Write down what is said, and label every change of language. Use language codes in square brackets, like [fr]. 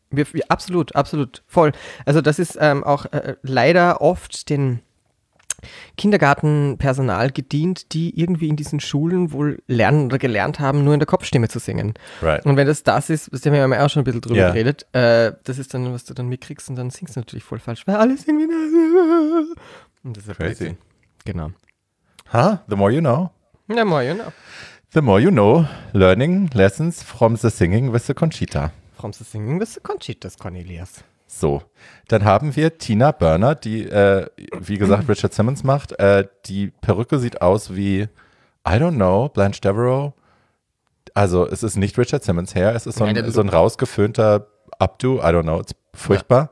[de] Wir absolut, absolut, voll. Also das ist auch leider oft den Kindergartenpersonal gedient, die irgendwie in diesen Schulen wohl lernen oder gelernt haben, nur in der Kopfstimme zu singen. [en] Right. [de] Und wenn das ist, das haben wir ja auch schon ein bisschen drüber geredet, das ist dann, was du dann mitkriegst und dann singst du natürlich voll falsch, weil alle singen wie eine... Und das ist crazy. Crazy. Genau. [en] Ha, huh? The more you know. The more you know. The more you know, learning lessons from the singing with the Conchita. From the singing with the Conchitas, Cornelius. [de] So, dann haben wir Tina Burner, die, wie gesagt, Richard Simmons macht. Die Perücke sieht aus wie, [en] I don't know, [de] Blanche Devereaux. Also es ist nicht Richard Simmons Hair, es ist so, nein, so ein rausgeföhnter Updo, [en] I don't know, [de] es ist furchtbar.